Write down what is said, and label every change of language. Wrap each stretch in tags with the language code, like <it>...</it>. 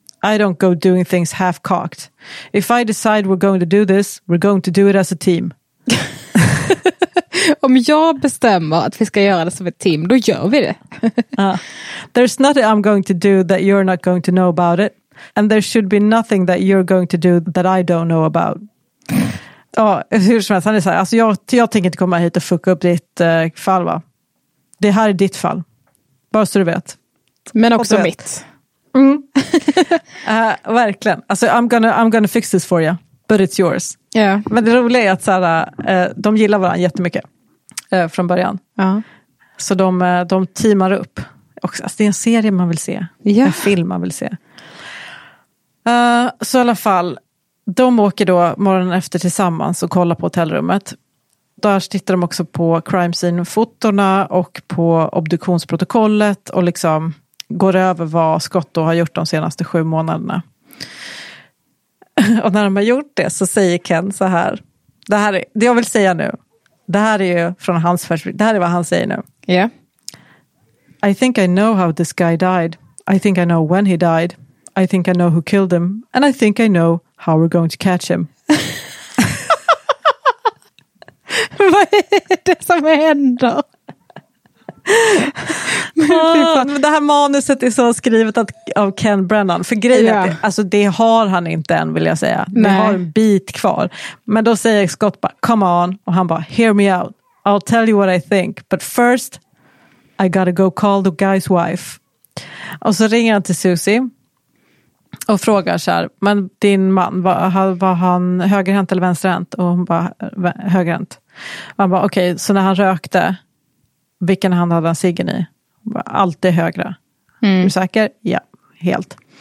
<en>I don't go doing things half-cocked. If I decide we're going to do this, we're going to do it as a team.</en> <sv>Om jag bestämmer att vi ska göra det som ett team, då gör vi det.</sv> <en>There's nothing I'm going to do that you're not going to know about it. And there should be nothing that you're going to do that I don't know about.</en> <sv>Ja, hur som helst, han är så här, alltså jag tänker inte komma hit och fucka upp ditt fall, va? Det här är ditt fall. Bara så du vet. Men också vet. Mitt. Mm. verkligen.</sv> <en>Alltså, I'm gonna fix this for you. But it's yours. Yeah.</en> <sv>Men det roliga är att så här, de gillar varandra jättemycket från början. Så de teamar upp. Och, alltså, det är en serie man vill se.</sv> <en>Yeah.</en> <sv>En film man vill se. Så i alla fall, de åker då morgonen efter tillsammans och kollar på hotellrummet. Där tittar de också på crime scene-fotorna och på obduktionsprotokollet och liksom går över vad Scott då har gjort de senaste 7 månaderna. Och när de har gjort det så säger Ken så här. Det här är det jag vill säga nu. Det här är ju från hans perspektiv. Det här är vad han säger nu.</sv> <en>Yeah. I think I know how this guy died. I think I know when he died. I think I know who killed him. And I think I know how we're going to catch him.</en> <sv>Vad är det som händer? Men det här manuset är så skrivet att, av Ken Brennan. För grejen är att alltså det har han inte än, vill jag säga. Nej. Det har en bit kvar. Men då säger Scott bara,</sv> <en>come on.</en> <sv>Och han bara,</sv> <en>hear me out. I'll tell you what I think. But first, I gotta go call the guy's wife.</en> <sv>Och så ringer han till Susie. Och frågar så här, men din man, var han högerhänt eller vänsterhänt? Och hon bara, högerhänt. Och han bara, okej, okay, så när han rökte, vilken hand hade han ciggen i? Alltid högra. Mm. Är du säker? Ja, helt.</sv>